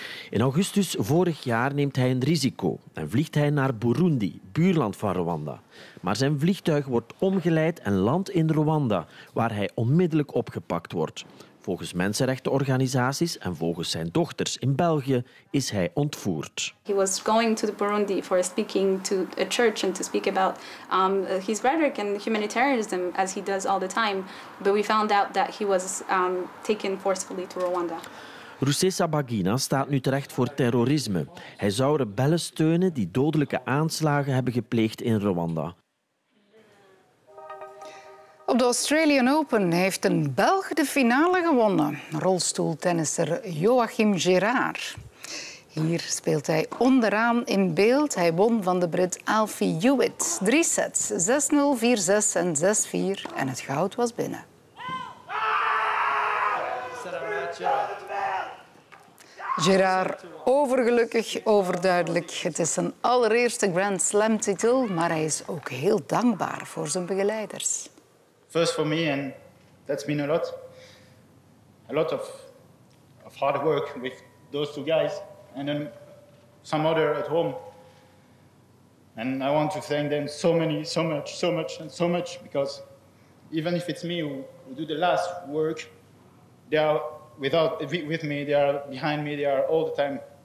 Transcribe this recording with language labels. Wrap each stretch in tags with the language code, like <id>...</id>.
<nl>In augustus vorig jaar neemt hij een risico en vliegt hij naar Burundi, buurland van Rwanda. Maar zijn vliegtuig wordt omgeleid en landt in Rwanda, waar hij onmiddellijk opgepakt wordt. Volgens mensenrechtenorganisaties en volgens zijn dochters in België is hij ontvoerd.</nl> <en>He was going to the Burundi for speaking to a church and to speak about his rhetoric and humanitarianism as he does all the time, but we found out that he was taken forcefully to Rwanda.</en> <nl>Rusesa Bagina staat nu terecht voor terrorisme. Hij zou rebellen steunen die dodelijke aanslagen hebben gepleegd in Rwanda. Op de Australian Open heeft een Belg de finale gewonnen. Rolstoeltennisser Joachim Gerard. Hier speelt hij onderaan in beeld. Hij won van de Brit Alfie Hewitt. 3 sets, 6-0, 4-6 en 6-4. En het goud was binnen. Gerard overgelukkig, overduidelijk. Het is zijn allereerste Grand Slam-titel, maar hij is ook heel dankbaar voor zijn begeleiders.</nl> <en>First for me, and that's been a lot. A lot of hard work with those two guys and then some other at home. And I want to thank them so much, because even if it's me who do the last work, they are with me, they are behind me, they are all the time.</en>